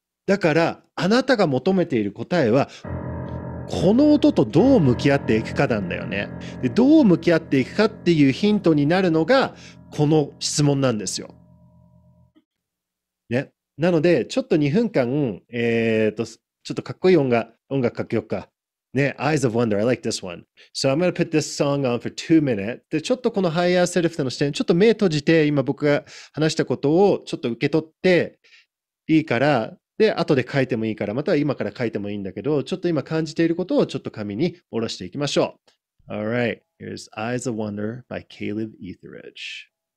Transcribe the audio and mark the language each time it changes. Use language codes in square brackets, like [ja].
[ja] だから、あなたが求めている答えは、この音とどう向き合っていくかなんだよね。で、どう向き合っていくかっていうヒントになるのが、この質問なんですよ。ね。なので、ちょっと2分間、ちょっとかっこいい音楽かけようか。ね。 [en] Eyes of Wonder, I like this one. So I'm gonna put this song on for 2 minutes. [ja] で、ちょっとこの Higher Self の視点、ちょっと目閉じて、今僕が話したことをちょっと受け取っていいから、で、後で書いてもいいから、または今から書いてもいいんだけど、ちょっと今感じていることをちょっと紙に下ろしていきましょう。 [en] Alright, here's Eyes of Wonder by Caleb Etheridge.